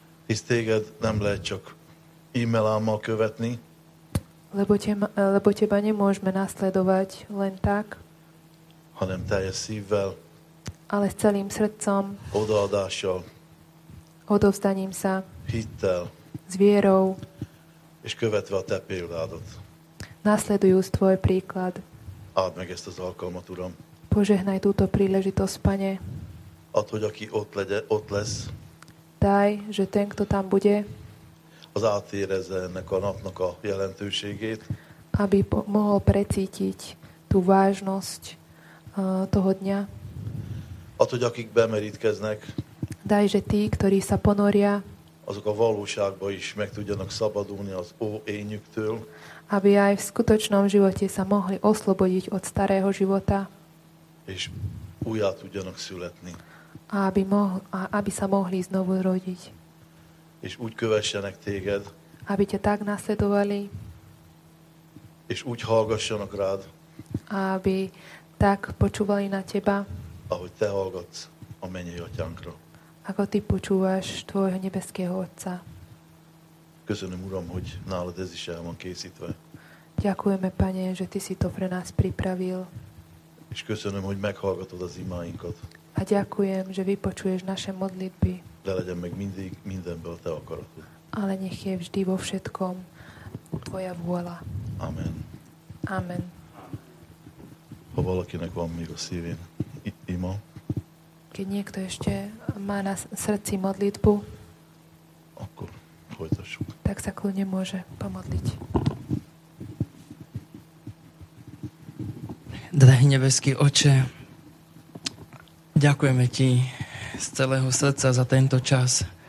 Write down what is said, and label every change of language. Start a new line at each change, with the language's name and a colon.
Hungarian: Hisz téged nem lehet csak e-mailámmal követni,
Slovak: lebo teba nemôžeme nasledovať len tak,
Hungarian: hanem teljes szívvel,
Slovak: ale s celým srdcom,
Hungarian: odaadással,
Slovak: odovzdaním sa,
Hungarian: hittel,
Slovak: s vierou,
Hungarian: és követve a te példádat.
Slovak: Nasledujúc tvoj príklad.
Hungarian: Áld meg ezt az alkalmat, Uram.
Slovak: Požehnaj túto príležitosť, Pane.
Hungarian: Add, hogy aki ott lesz,
Slovak: daj, že ten, kto tam bude,
Hungarian: az átérezze ennek a napnak a jelentőségét,
Slovak: aby mohol precítiť tú vážnosť toho dňa.
Hungarian: Add, hogy akik bemerítkeznek,
Slovak: daj, že tí, ktorí sa ponoria,
Hungarian: azok a valóságba is meg tudjanak szabadulni az ó énjüktől,
Slovak: aby aj v skutočnom živote sa mohli oslobodiť od starého života,
Hungarian: és újjá tudjanak születni,
Slovak: aby sa mohli znovu rodiť,
Hungarian: és úgy kövessenek téged,
Slovak: aby ťa tak nasledovali,
Hungarian: és úgy hallgassanak rád,
Slovak: aby tak počúvali na teba,
Hungarian: ahogy te hallgatsz a mennyei atyánkra,
Slovak: ako ty počúvaš tvojho nebeského Otca.
Hungarian: Köszönöm, Uram, hogy nálad ez is el van készítve.
Slovak: Ďakujeme, Pane, že ty si to pre nás pripravil.
Hungarian: És köszönöm, hogy meghallgatod az imáinkat.
Slovak: A ďakujem, že vypočuješ naše modlitby.
Hungarian: De legyen meg mindig, mindenből te akaratod.
Slovak: Ale nech je vždy vo všetkom tvoja vôľa.
Hungarian: Amen.
Slovak: Amen.
Hungarian: Ha valakinek van még a szívén ima,
Slovak: keď niekto ešte má na srdci modlitbu,
Hungarian: akkor folytassuk.
Slovak: Tak sa kľudne môže pomodliť. Drahý nebeský Oče, ďakujeme ti z celého srdca za tento čas.